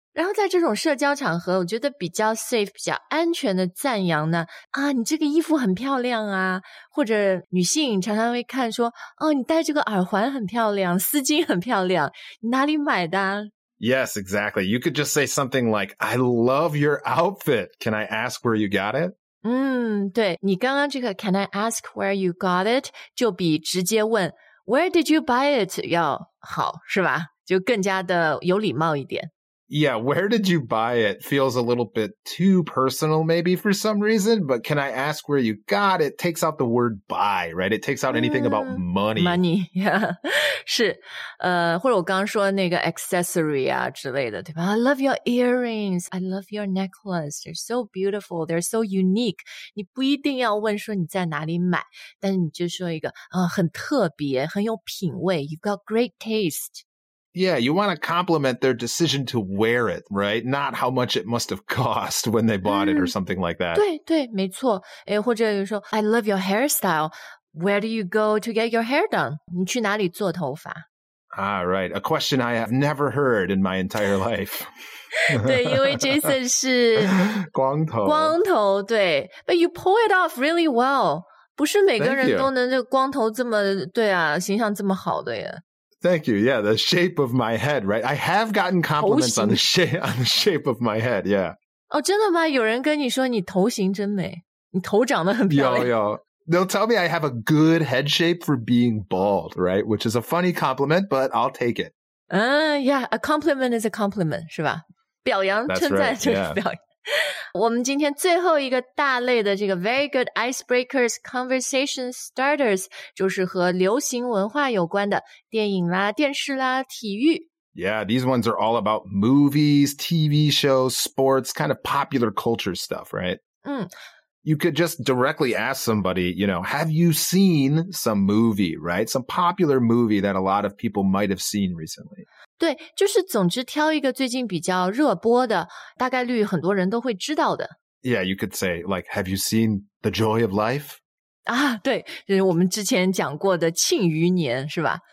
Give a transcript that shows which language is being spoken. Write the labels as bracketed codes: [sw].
[zh] 然后在这种社交场合，我觉得比较 safe, 比较安全的赞扬呢，啊，你这个衣服很漂亮啊，或者女性常常会看说，哦，你戴这个耳环很漂亮，丝巾很漂亮，你哪里买的？ [en] Yes, exactly. You could just say something like, I love your outfit. Can I ask where you got it? [zh] 对，你刚刚这个 [en] can I ask where you got it [zh] 就比直接问 [en] where did you buy it [zh] 要好，是吧？就更加的有礼貌一点。 [en] Yeah, where did you buy it feels a little bit too personal maybe for some reason, but can I ask where you got it takes out the word buy, right? It takes out anything about money. Money, yeah. [zh] 是，或者我刚刚说那个 accessory 啊之类的，对吧？ [en] I love your earrings. I love your necklace. They're so beautiful. They're so unique. [zh] 你不一定要问说你在哪里买，但你就说一个，很特别，很有品味。 [en] You've got great taste. Yeah, you want to compliment their decision to wear it, right? Not how much it must have cost when they bought it or something like that. [zh] 对对，没错。哎，或者说 [en] I love your hairstyle. Where do you go to get your hair done? [zh] 你去哪里做头发？ [en] Right. A question I have never heard in my entire life. [zh] 对，因为 Jason 是光头。光头，对。 [en] But you pull it off really well. [zh] 不是每个人都能这光头这么对啊，形象这么好的耶。 [en] Thank you. Yeah, the shape of my head, right? I have gotten compliments on the shape of my head, yeah. [zh] Oh, 真的吗？有人跟你说你头型真美，你头长得很漂亮。有有。 [en] They'll tell me I have a good head shape for being bald, right? Which is a funny compliment, but I'll take it. Yeah, a compliment is a compliment, [zh] 是吧？表扬称赞就是表扬。我们今天最后一个大类的这个 [en] very good icebreakers conversation starters [zh] 就是和流行文化有关的电影啦电视啦体育 [en] Yeah, these ones are all about movies, TV shows, sports, kind of popular culture stuff, right? You could just directly ask somebody, you know, have you seen some movie, right? Some popular movie that a lot of people might have seen recently. [zh] 对，就是总之挑一个最近比较热播的，大概率很多人都会知道的。 [en] Yeah, you could say, like, have you seen The Joy of Life? [zh] 啊，对，就是我们之前讲过的《庆余年》，是吧？